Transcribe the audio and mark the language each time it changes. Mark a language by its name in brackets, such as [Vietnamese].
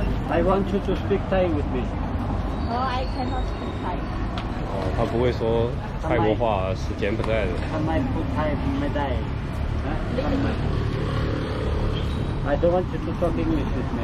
[English] I want you to speak Thai with me. No, I cannot speak Thai. [Chinese] 哦，他不会说泰国话，是柬埔寨的。他买不泰，不买泰。 [English] I don't want you to talk English with me.